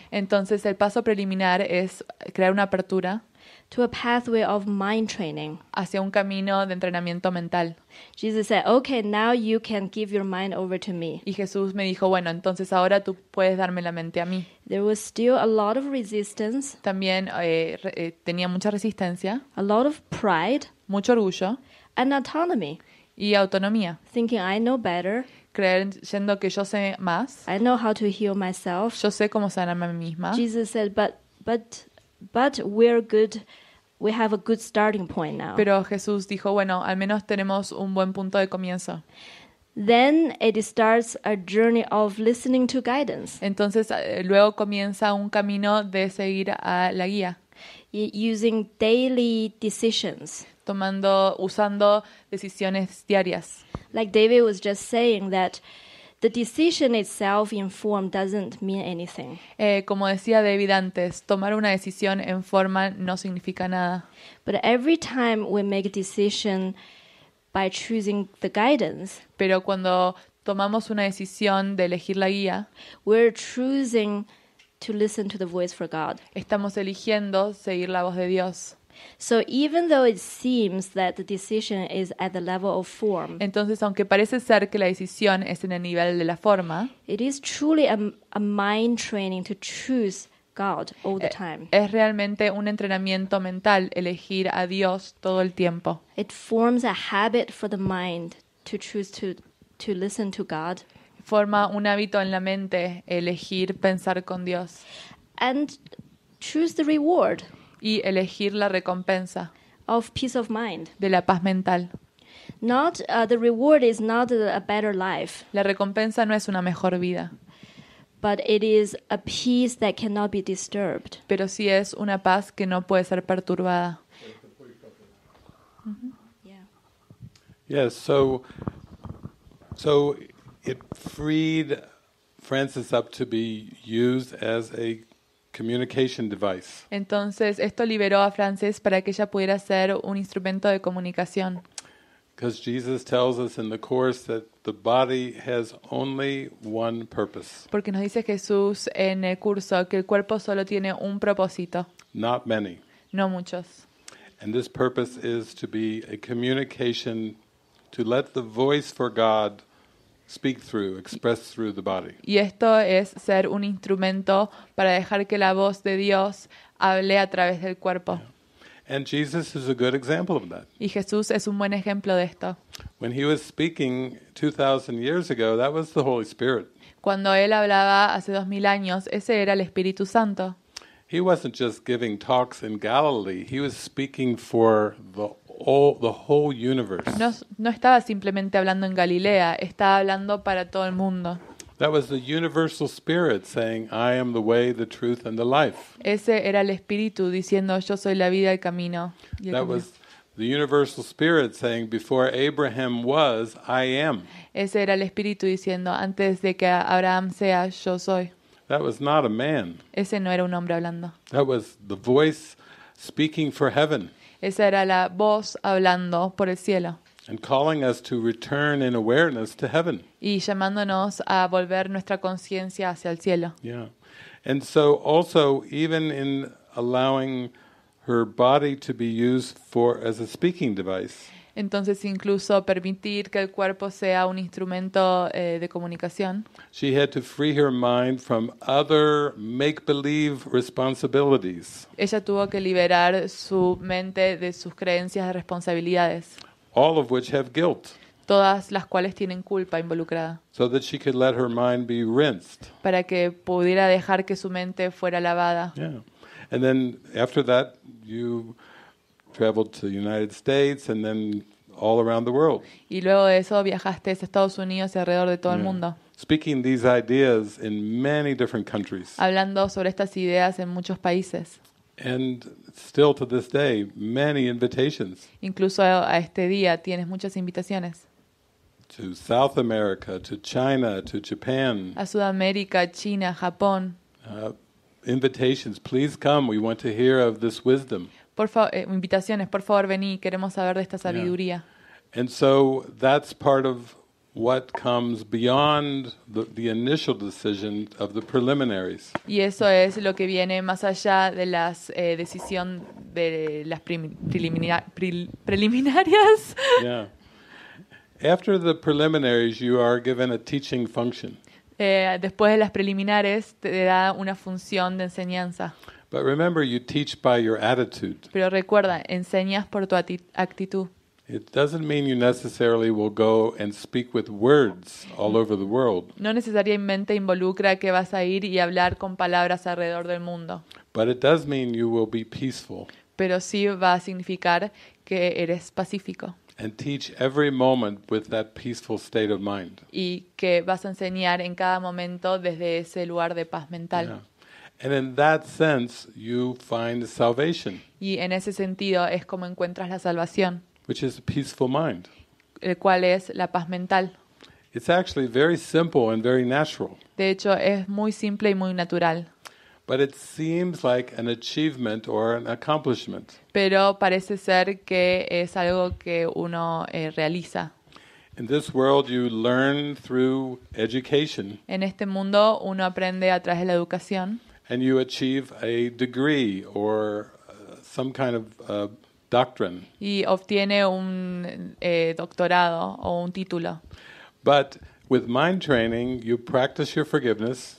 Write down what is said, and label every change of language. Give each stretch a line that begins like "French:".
Spanish: Entonces el paso preliminar es crear una apertura.
English: To a pathway of mind training.
Spanish: Hacia un camino de entrenamiento mental.
English: Jesus said, "Okay, now you can give your mind over to me."
Spanish: Y Jesús me dijo, bueno, entonces ahora tú puedes darme la mente a mí.
English: There was still a lot of resistance.
Spanish: También tenía mucha resistencia.
English: A lot of pride.
Spanish: Mucho orgullo.
English: And autonomy.
Spanish: Y autonomía.
English: Thinking I know better.
Spanish: Creyendo que yo sé más.
English: I know how to heal myself.
Spanish: Yo sé cómo sanarme a mí misma.
English: Jesus said, but we're good. We have a good starting point now.
Spanish: Pero Jesús dijo, bueno, al menos tenemos un buen punto de comienzo.
English: Then it starts a journey of listening to guidance.
Spanish: Entonces luego comienza un camino de seguir a la guía.
English: Using daily decisions.
Spanish: Usando decisiones diarias.
English: Like David was just saying that the decision itself in form doesn't mean anything.
Spanish: Como decía David antes, tomar una decisión en forma no significa nada.
English: But every time we make a decision by choosing the guidance,
Spanish: pero cuando tomamos una decisión de elegir la guía,
English: we're choosing to listen to the voice for God.
Spanish: Estamos eligiendo seguir la voz de Dios.
English: So even though it seems that the decision is at the level of form,
Spanish: entonces aunque parece ser que la decisión es en el nivel de la forma,
English: it is truly a mind training to choose God all the time.
Spanish: Es realmente un entrenamiento mental elegir a Dios todo el tiempo.
English: It forms a habit for the mind to choose to listen to God.
Spanish: Forma un hábito en la mente elegir pensar con Dios.
English: And choose the reward.
Spanish: Y elegir la recompensa
English: of peace of mind.
Spanish: De la paz mental.
English: Not the reward is not a better life.
Spanish: La recompensa no es una mejor vida.
English: but it is a peace that cannot be disturbed.
Spanish: Pero sí es una paz que no puede ser perturbada.
English: Yes, so it freed Francis up to be used as a communication device.
Spanish: Entonces esto liberó a Francis para que ella pudiera ser un instrumento de comunicación.
English: Because Jesus tells us in the course that the body has only one purpose.
Spanish: Porque nos dice Jesús en el curso que el cuerpo solo tiene un propósito.
English: Not many.
Spanish: No muchos.
English: And this purpose is to be a communication to let the voice for God speak through, express through the body.
Spanish: Y esto es ser un instrumento para dejar que la voz de Dios hable a través del cuerpo.
English: And Jesus is a good example of that.
Spanish: Y Jesús es un buen ejemplo de esto.
English: When he was speaking 2,000 years ago, that was the Holy Spirit.
Spanish: Cuando él hablaba hace 2,000 años, ese era el Espíritu Santo.
English: He wasn't just giving talks in Galilee. He was speaking for the whole universe.
Spanish: No estaba simplemente hablando en Galilea. Estaba hablando para todo el mundo.
English: That was the universal spirit saying, "I am the way, the truth, and the life."
Spanish: Ese era el espíritu diciendo, "Yo soy la vida, el camino."
English: That was the universal spirit saying, "Before Abraham was, I am."
Spanish: Ese era el espíritu diciendo, antes de que Abraham sea, yo soy.
English: That was not a man.
Spanish: Ese no era un hombre hablando.
English: That was the voice speaking for heaven.
Spanish: Esa era la voz hablando por el cielo.
English: And calling us to return in awareness to heaven.
Spanish: Y llamándonos a volver nuestra conciencia hacia el cielo.
English: Yeah. And so also even in allowing her body to be used for as a speaking device.
Spanish: Entonces incluso permitir que el cuerpo sea un instrumento de comunicación.
English: She had to free her mind from other make-believe responsibilities.
Spanish: Ella tuvo que liberar su mente de sus creencias de responsabilidades.
English: All of which have guilt.
Spanish: Todas las cuales tienen culpa involucrada.
English: So that she could let her mind be rinsed.
Spanish: Para que pudiera dejar que su mente fuera lavada.
English: Yeah. And then after that you traveled to the United States and then all around the world.
Spanish: Y luego de eso viajaste a Estados Unidos y alrededor de todo el mundo.
English: Speaking these ideas in many different countries.
Spanish: Hablando sobre estas ideas en muchos países.
English: And still to this day, many invitations.
Spanish: Incluso a este día tienes muchas invitaciones.
English: To South America, to China, to Japan.
Spanish: A Sudamérica, China, Japón.
English: Invitations, please come. We want to hear of this wisdom.
Spanish: Invitaciones, por favor, vení. Queremos saber de esta sabiduría.
English: Yeah. And so that's part of what comes beyond the initial decision of the preliminaries.
Spanish: Y eso es lo que viene más allá de las decisión de las preliminarias.
English: Yeah. After the preliminaries, you are given a teaching function.
Spanish: Después de las preliminares, te da una función de enseñanza.
English: But remember, you teach by your attitude.
Spanish: Pero recuerda, enseñas por tu actitud.
English: It doesn't mean you necessarily will go and speak with words all over the world.
Spanish: No necesariamente involucra que vas a ir y hablar con palabras alrededor del mundo.
English: But it does mean you will be peaceful.
Spanish: Pero sí va a significar que eres pacífico.
English: And teach every moment with that peaceful state of mind.
Spanish: Y que vas a enseñar en cada momento desde ese lugar de paz mental.
English: Yeah. And in that sense you find salvation.
Spanish: Y en ese sentido es como encuentras la salvación.
English: Which is a peaceful mind.
Spanish: El cual es la paz mental.
English: It's actually very simple and very natural.
Spanish: De hecho, es muy simple y muy natural.
English: But it seems like an achievement or an accomplishment.
Spanish: Pero parece ser que es algo que uno realiza.
English: In this world you learn through education.
Spanish: En este mundo uno aprende a través de la educación.
English: And you achieve a degree or some kind of doctrine.
Spanish: Y obtiene un doctorado o un título.
English: But with mind training, you practice your forgiveness.